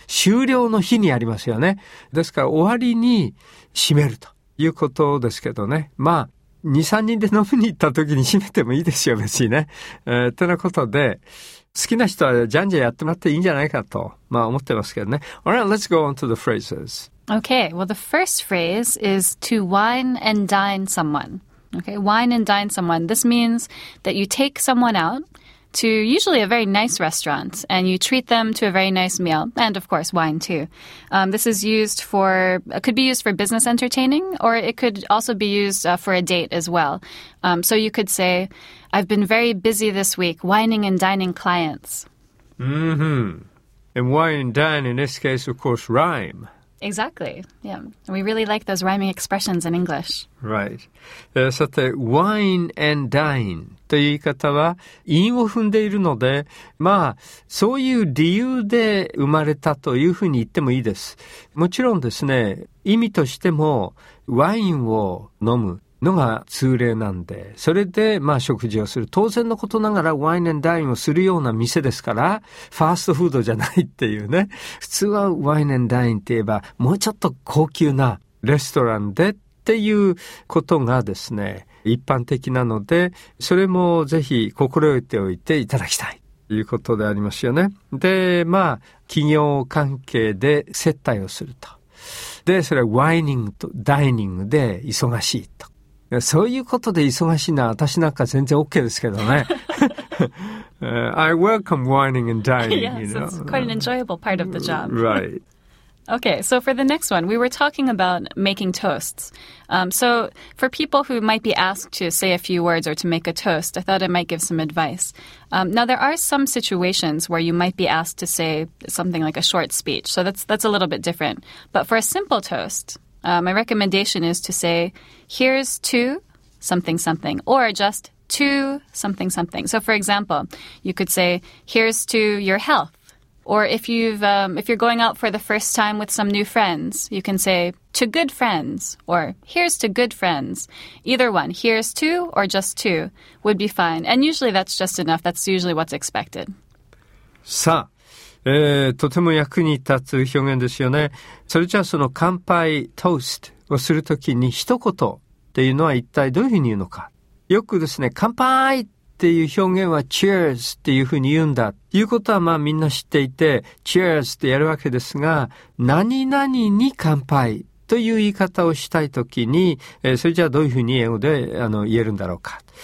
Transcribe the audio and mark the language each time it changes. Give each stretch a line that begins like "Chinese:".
Japanese: 終了の日にありますよね。ですから終わりに締めるということですけどね、まあ 2,3 人で飲みに行った時に締めてもいいですよ別にね、ってなことで、好きな人はじゃんじゃんやってもらっていいんじゃないかと、まあ思ってますけどね。
English: Alright, let's go on to the phrases. Okay, well the first phrase is to wine and dine someone. Okay, wine and dine someone. This means that you take someone outto usually a very nice restaurant, and you treat them to a very nice meal, and of course wine too. This is used for, could be used for business entertaining, or it could also be used for a date as well. So you could say, I've been very busy this week wining and dining clients. Mm-hmm. And wine and dine in this case, of course, rhyme. Exactly. Yeah. We really like those rhyming expressions in English. Right. さて、wine and dine.
Japanese: という言い方は韻を踏んでいるので、まあそういう理由で生まれたというふうに言ってもいいです。もちろんですね、意味としてもワインを飲むのが通例なんで、それでまあ食事をする、当然のことながらワインアンドダインをするような店ですから、ファーストフードじゃないっていうね、普通はワインアンドダインって言えばもうちょっと高級なレストランでっていうことがですね一般的なので、それもぜひ心得ておいていただきたいということでありますよね。でまあ企業関係で接待をすると、でそれはワイニングとダイニングで忙しいと、そういうことで忙しいのは私なんか全然 OK ですけどね。
English: I welcome wining and dining. Yes, you know? It's quite an enjoyable part of the job. Right. Okay, so for the next one, we were talking about making toasts. So for people who might be asked to say a few words or to make a toast, I thought I might give some advice. Now, there are some situations where you might be asked to say something like a short speech. So that's a little bit different. But for a simple toast, my recommendation is to say, here's to something something, or just to something something. So for example, you could say, here's to your health. Or if you've, if you're going out for the first time with some new friends, you can say, to good friends, or here's to good friends. Either one, here's to or just to, would be fine. And usually that's just enough. That's usually what's expected.
Japanese: さあ、とても役に立つ表現ですよね。それじゃあその乾杯、トーストをするときに一言っていうのは一体どういうふうに言うのか。よくですね、乾杯っていう表現は cheers っていうふうに言うんだということはまあみんな知っていて cheers ってやるわけですが、何々に乾杯という言い方をしたいときに、それじゃあどういうふうに英語で言えるんだろうか。